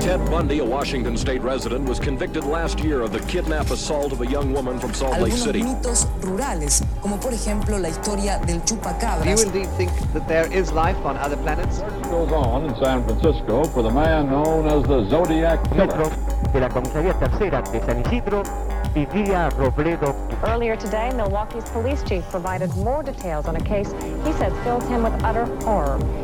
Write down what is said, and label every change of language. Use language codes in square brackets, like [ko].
[en] Bundy, a Washington State resident, was convicted last year of the kidnap assault of a young woman from Salt [es] Algunos [en] Lake City. [es] Mitos rurales, como por ejemplo la historia del chupacabras. [en] Do you indeed think that there is life on other planets? It goes on in San Francisco for the man known as the Zodiac Killer. [es] De la comisaría tercera de San Isidro, Vivía Robledo. [en] Earlier today, Milwaukee's police chief provided more details on a case he says fills him with utter horror.